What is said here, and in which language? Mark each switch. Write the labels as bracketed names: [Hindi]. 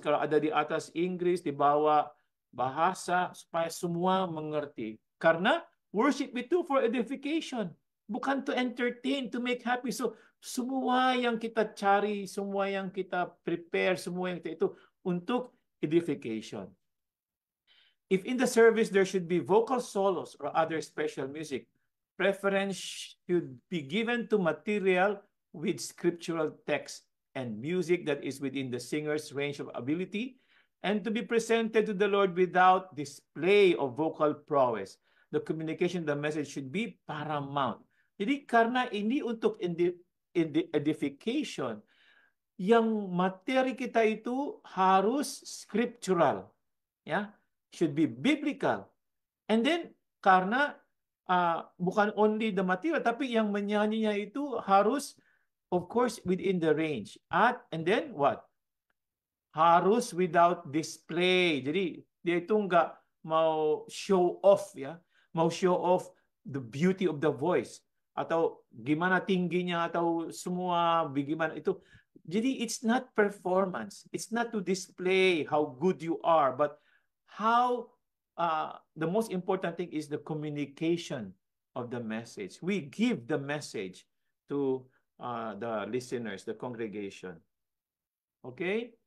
[Indonesian] Kalau ada di atas Inggris, di bawah bahasa, supaya semua mengerti. [English] Karena worship itu for edification, bukan to entertain, to make happy. [Indonesian] So semua yang kita cari, semua yang kita prepare, semua yang itu untuk edification. [English] If in the service there should be vocal solos or other special music, preference should be given to material with scriptural text and music that is within the singer's range of ability and to be presented to the Lord without display of vocal prowess. The communication, the message should be paramount. [Indonesian] Jadi karena ini untuk in the edification, yang materi kita itu harus scriptural, ya, [English] should be biblical. And then karena bukan only the material, tapi yang menyanyinya itu harus, of course, within the range. And then what? Harus without display. [Indonesian] Jadi dia itu nggak mau [English] show off, ya, mau show off the beauty of the voice [Indonesian] atau gimana tingginya atau semua bagaimana itu. [English] Jadi it's not performance. It's not to display how good you are, but how the most important thing is the communication of the message. We give the message to the listeners, the congregation. Okay?